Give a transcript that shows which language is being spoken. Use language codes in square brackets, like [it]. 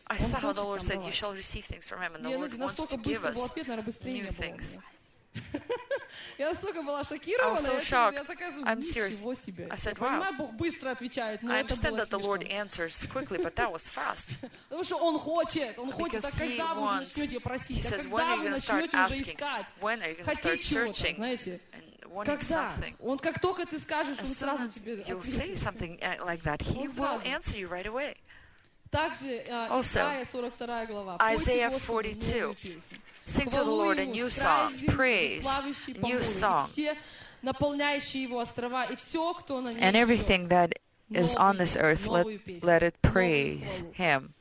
[en] I saw how the Lord said, "You shall receive things from Him," and the Lord wants to give us new things. [ru] Я настолько была шокирована, я такая, ничего себе. [en] I said, "Wow." [ru] Бог быстро отвечает, но это было смешно. [en] I understand that the Lord answers quickly, but that was fast. [ru] Потому что Он хочет, Он хочет, так когда вы уже начнете просить, так когда вы начнете уже искать, хотеть чего-то, знаете? Когда? Он как только ты скажешь, он сразу тебе ответит. [en] You'll say something like that. He will answer you right away. [ru] Также Исайя 42 глава. [en] Isaiah 42. Sing to the Lord a new song. Praise. New song. [ru] Все наполняющие его острова и все, кто на ней. [en] And everything that is on this earth, let it praise Him.